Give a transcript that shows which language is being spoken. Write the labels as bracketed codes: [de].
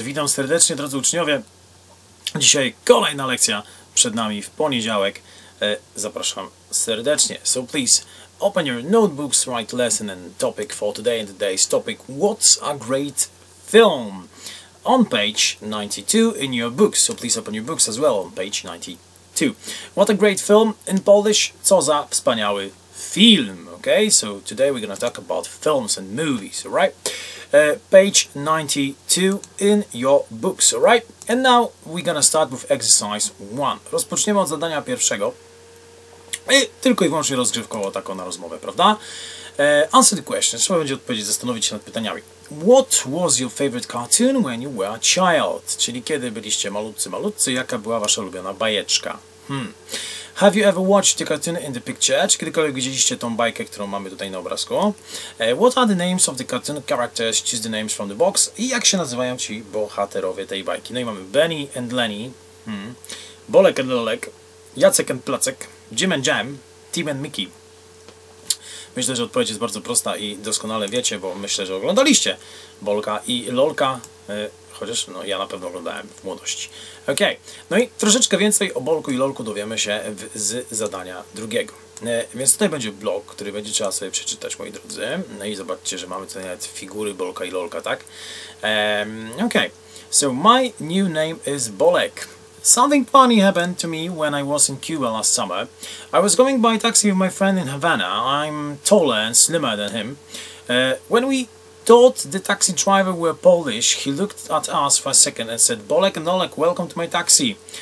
[pl] Witam serdecznie, drodzy uczniowie. Dzisiaj kolejna lekcja przed nami w poniedziałek. Zapraszam serdecznie. [en] So please, open your notebooks, write lesson and topic for today. And today's topic, what's a great film? On page 92 in your books. So please open your books as well on page 92. What a great film in Polish? [pl] Co za wspaniały film, [en] okay? So today we're gonna talk about films and movies, alright? Page 92 in your books, alright? And now we're gonna start with exercise 1. [pl] Rozpoczniemy od zadania pierwszego. I tylko i wyłącznie rozgrywkowo taką na rozmowę, prawda? [en] Answer the question. [pl] Trzeba będzie odpowiedzieć, zastanowić się nad pytaniami. [en] What was your favorite cartoon when you were a child? [pl] Czyli kiedy byliście malutcy, malutcy, jaka była wasza ulubiona bajeczka? [en] Have you ever watched the cartoon in the picture? [pl] Czy kiedykolwiek widzieliście tą bajkę, którą mamy tutaj na obrazku? [en] What are the names of the cartoon characters? Choose the names from the box. [pl] I jak się nazywają ci bohaterowie tej bajki? No i mamy Benny and Lenny, Bolek and Lolek, Jacek and Placek, Jim and Jam, Tim and Mickey. Myślę, że odpowiedź jest bardzo prosta i doskonale wiecie, bo myślę, że oglądaliście Bolka i Lolka. Chociaż no, ja na pewno oglądałem w młodości. Ok, no i troszeczkę więcej o Bolku i Lolku dowiemy się z zadania drugiego. Więc tutaj będzie blok, który będzie trzeba sobie przeczytać, moi drodzy. No i zobaczcie, że mamy tutaj nawet figury Bolka i Lolka, tak? [en] Ok, so my new name is Bolek. Something funny happened to me when I was in Cuba last summer. I was going by taxi with my friend in Havana. I'm taller and slimmer than him. When we thought the taxi driver were Polish, he looked at us for a second and said, Bolek and Olek, welcome to my taxi.